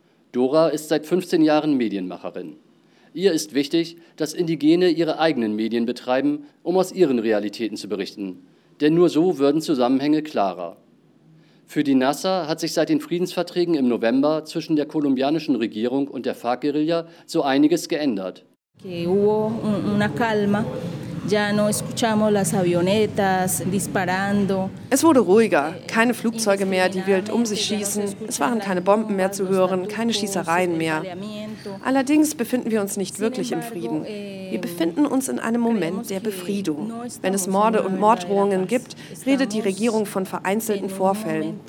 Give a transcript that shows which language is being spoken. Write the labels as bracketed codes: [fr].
[de] Dora ist seit 15 Jahren Medienmacherin. Ihr ist wichtig, dass Indigene ihre eigenen Medien betreiben, um aus ihren Realitäten zu berichten. Denn nur so würden Zusammenhänge klarer. Für die Nasser hat sich seit den Friedensverträgen im November zwischen der kolumbianischen Regierung und der FARC-Guerilla so einiges geändert. [es] Que hubo una calma. Ya no escuchamos las avionetas disparando. [de] Es wurde ruhiger, keine Flugzeuge mehr, die wild um sich schießen. Es waren keine Bomben mehr zu hören, keine Schießereien mehr. Allerdings befinden wir uns nicht wirklich im Frieden. Wir befinden uns in einem Moment der Befriedung. Wenn es Morde und Morddrohungen gibt, redet die Regierung von vereinzelten Vorfällen.